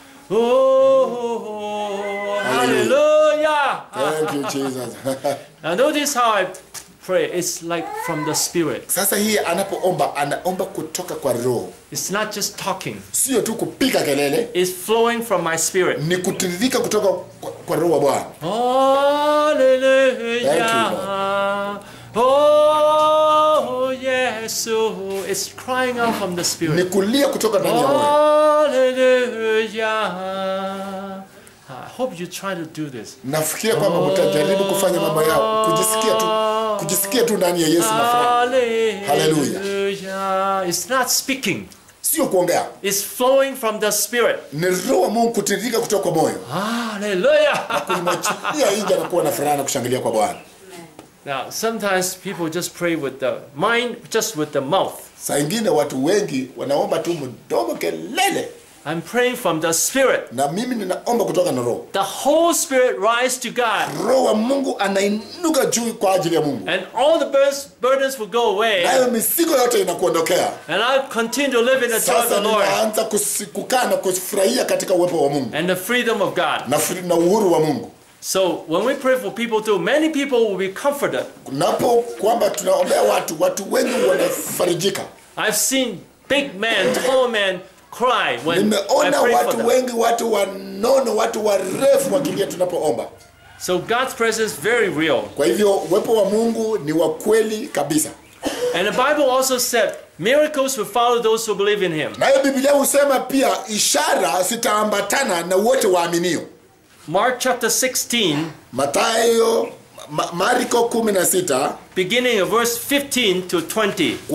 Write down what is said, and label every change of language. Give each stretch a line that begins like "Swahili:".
English: Oh, hallelujah. Thank you, Jesus. Now notice how I pray. It's like from the Spirit.
Swahili: Sasa hii anapoomba, anaomba kutoka kwa Roho.
English: It's not just talking.
Swahili: Sio tu kupiga kelele.
English: It's flowing from my spirit.
Swahili: Ni kutiririka kutoka kwa Roho wa Bwana. Hallelujah. Oh, Yesu.
English: It's crying out from the spirit.
Swahili: Ni kulia kutoka ndani ya moyo. Hallelujah.
English: I hope you try to do this.
Swahili: Nafikiria kwamba mtajaribu kufanya mambo yao, kujisikia tu ndani ya Yesu na furaha. Hallelujah.
English: It's not speaking.
Swahili: Sio kuongea.
English: It's flowing from the spirit.
Swahili: Ni Roho Mungu kutiririka kutoka kwa moyo. Hallelujah. Nakuimachia hija na kuwa na furaha na kushangilia kwa Bwana.
English: Now, sometimes people just pray with the mind, just with the mouth.
Swahili: Saa ingine watu wengi wanaomba tu mdomo kelele.
English: I'm praying from the spirit.
Swahili: Na mimi ninaomba kutoka na Roho.
English: The whole spirit rises to God.
Swahili: Roho wa Mungu anainuka juu kwa ajili ya Mungu.
English: And all the burdens will go away.
Swahili: Nayo mizigo yote inakuondokea.
English: And I continue to live in the joy of the Lord.
Swahili: Sasa naanza kukaa na kufurahia katika uwepo wa Mungu.
English: And the freedom of God.
Swahili: Na uhuru wa Mungu.
English: So when we pray for people too, many people will be comforted.
Swahili: Napo kwamba tunaombea watu wengi wanafarijika.
English: I've seen big men, tall men cry when I pray for them.
Swahili: Watu wengi, watu wanono, watu warefu wakilia tunapoomba.
English: So God's presence is very real.
Swahili: Kwa hivyo uwepo wa Mungu ni wa kweli kabisa.
English: And the Bible also said miracles will follow those who believe in him.
Swahili: Na Biblia husema pia ishara zitaambatana na wote waaminio.
English: Mark chapter 16,
Swahili: Mathayo Marko 16,
English: beginning of verse 15 to 20.